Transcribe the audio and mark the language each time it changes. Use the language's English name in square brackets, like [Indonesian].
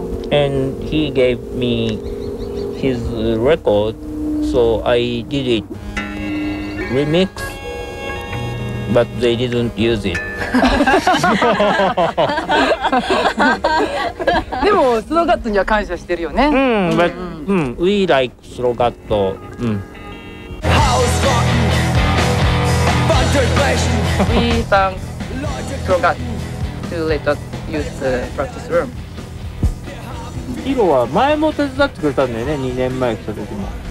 [English] And he gave me his record, so I did it remix, but they didn't use it. [Japanese] でもスローガットには感謝してるよね。 [English] うん、but we like スローガット。 We thank Krogat to let us use the practice room. [Japanese] Hiro は前も手伝ってくれたんだよね、2年前来た時も。